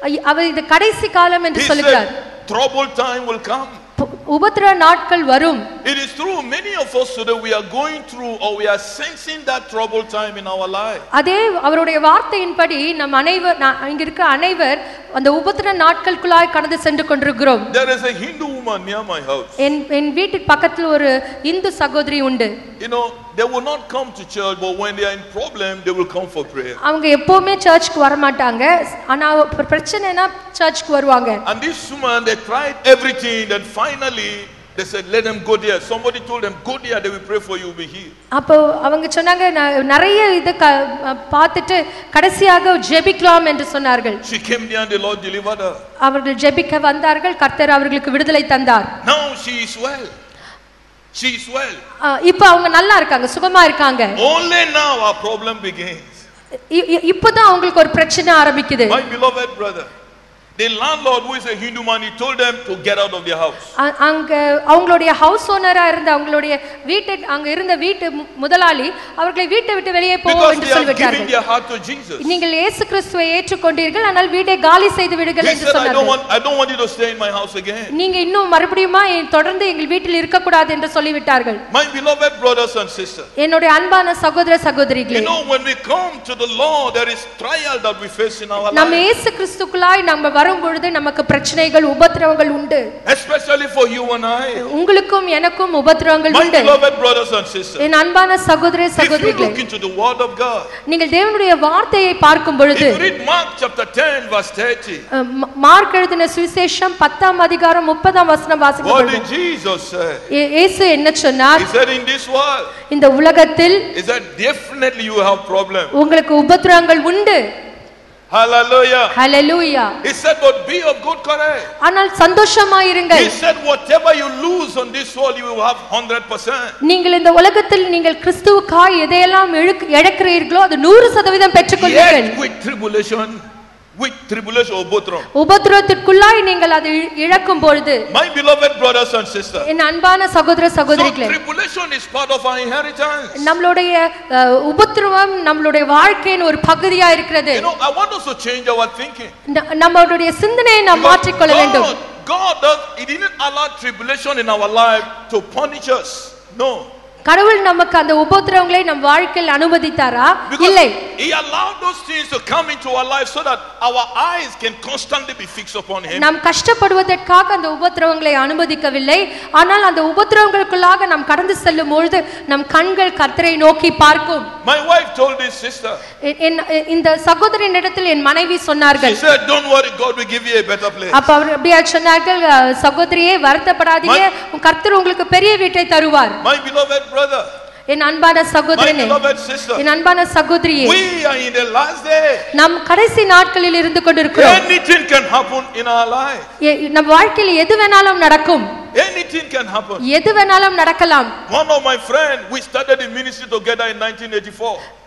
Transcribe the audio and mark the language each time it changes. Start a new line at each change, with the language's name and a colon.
Tamil: அவர் இந்த கடைசி காலம் என்று சொல்கிறார்.
English: Trouble time will come.
Tamil: உபத்திர நாட்கள் வரும்.
English: It is through many of us today we are going through or we are sensing that trouble time in our life.
Tamil: அதே அவருடைய வார்த்தையின்படி நம் அனைவர் இங்க இருக்க அனைவர் அந்த உபத்திர நாட்களுக்குள்ளாய் கடந்து சென்று கொண்டிருக்கிறோம்.
English: There is a Hindu woman near my house.
Tamil: என் வீட்டு பக்கத்துல ஒரு இந்து சகோதரி உண்டு.
English: You know, they will not come to church, but when they are in problem they will come for prayer.
Tamil: அவங்க எப்பவுமே சர்ச்சுக்கு வர மாட்டாங்க, ஆனா பிரச்சனைனா சர்ச்சுக்கு வருவாங்க.
English: And this woman, they tried everything, then finally they said let them go there. Somebody told them go there, they will pray for you, you will be healed.
Tamil: அப்ப அவங்க சொன்னாங்க நிறைய இத பார்த்துட்டு கடைசியாக ஜெபிக்கலாம் என்று சொன்னார்கள்.
English: She came there and the Lord delivered her.
Tamil: அவர்கள் ஜெபிக்க வந்தார்கள், கர்த்தர் அவர்களுக்கு விடுதலை தந்தார்.
English: Now she is well. She is well.
Tamil: இப்ப அவங்க நல்லா இருக்காங்க, சுகமா இருக்காங்க.
English: Only now our problem begins.
Tamil: இப்போதான் அவங்களுக்கு ஒரு பிரச்சனை ஆரம்பிக்குது.
English: My beloved brother, the landlord, who is a Hindu man, he told them to get out of their house.
Tamil: அங்க அவங்களுடைய ஹவுஸ் ஓனரா இருந்த அவங்களுடைய வீட்டு அங்க இருந்த வீட்டு முதலாளி அவர்களை வீட்டை விட்டு வெளியே போக என்று சொல்லிவிட்டார். நீங்கள் இயேசு கிறிஸ்துவை ஏற்றுக்கொண்டீர்கள், ஆனால் வீட்டை காலி செய்து விடுங்கள் என்று சொன்னார்.
English: I don't want you to stay in my house again.
Tamil: நீங்க இன்னும் மறுபடியுமா தொடர்ந்து எங்கள் வீட்டில் இருக்க கூடாது என்று சொல்லிவிட்டார்கள்.
English: My beloved brothers and sisters.
Tamil: என்னுடைய அன்பான சகோதர சகோதரிகளே.
English: You know, when we come to the Lord, there is trial that we face in our life.
Tamil: நாம் இயேசு கிறிஸ்துவுக்குள்ளாய் நாம் வரும்பொழுது நமக்கு பிரச்சனைகள் உபத்திரவங்கள் உண்டு.
English: Especially for you and I.
Tamil: உங்களுக்கும் எனக்கும் உபத்திரவங்கள் உண்டு.
English: My beloved brothers and sisters.
Tamil: என் அன்பான சகோதர சகோதரிகளே.
English: If you look into the word of God.
Tamil: நீங்கள் தேவனுடைய வார்த்தையை பார்க்கும்பொழுது.
English: Read Mark chapter 10 verse 30.
Tamil: Mark எழுதின சுவிசேஷம் 10 அதிகாரம் 30 வசனம் வாசிங்க.
English: What did Jesus say?
Tamil: இயேசு என்ன சொன்னார்?
English: He said in this world.
Tamil: இந்த உலகத்தில்.
English: Is that definitely you have problem?
Tamil: உங்களுக்கு உபத்திரவங்கள் உண்டு. Hallelujah. Hallelujah.
English: He said, "But be of good courage."
Tamil: ஆனால் சந்தோஷமா இருங்கள்.
English: He said, "Whatever you lose on this world, you will have 100%."
Tamil: நீங்கள் இந்த உலகத்தில் நீங்கள் கிறிஸ்துவுக்காய் எதையெல்லாம் இழக்கிறீர்களோ அது 100% பெற்றுக்கொள்வீர்கள்.
English: Yet with tribulation, with tribulation உபத்திரம்.
Tamil: உபத்திரத்திற்குள்ளாய் நீங்கள் அது இழக்கும் பொழுது.
English: My beloved brothers and sisters.
Tamil: என் அன்பான சகோதர சகோதரிகளே.
English: So tribulation is part of our inheritance.
Tamil: நம்மளுடைய உபத்திரவம் நம்மளுடைய வாழ்க்கையின் ஒரு பகுதியாக இருக்கிறது.
English: You know, I want us to change our thinking.
Tamil: நம்மளுடைய சிந்தனையை நாம் மாற்றிக்கொள்ள வேண்டும்.
English: God didn't allow tribulation in our life to punish us. No.
Tamil: கடவுள் நமக்கு அந்த உபத்திரவங்களை நம் வாழ்க்கையில் அனுமதித்தாரா? இல்லை.
English: He allowed those things to come into our life so that our eyes can constantly be fixed upon him.
Tamil: நாம் கஷ்டப்படுவதற்காக அந்த உபத்திரவங்களை அனுமதிக்கவில்லை. ஆனால் அந்த உபத்திரவங்களுக்குள்ளாக நாம் கடந்து செல்லும் பொழுது நம் கண்கள் கர்த்தரை நோக்கி பார்க்கும்.
English: My wife told his sister.
Tamil: இந்த சகோதரியிடத்தில் என் மனைவி சொன்னார்கள்.
English: She said, "Don't worry, God will give you a better place."
Tamil: அப்ப அவர் அப்படியே சொன்னார்கள், சகோதரியே வருத்தப்படாதீங்க, கர்த்தர் உங்களுக்கு பெரிய வீட்டை தருவார்.
English: My beloved brother.
Tamil: என் அன்பான சகோதரனே, என் அன்பான சகோதரியே,
English: we are in the last day.
Tamil: நாம் கடைசி நாட்களில் இருந்து கொண்டிருக்கிறோம்.
English: Anything can happen in our life.
Tamil: நம் வாழ்க்கையில் எது வேணாலும் நடக்கும்.
English: Anything can happen.
Tamil: எது வேணாலும் நடக்கலாம்.
English: One of my friend, we started the ministry together in 1984.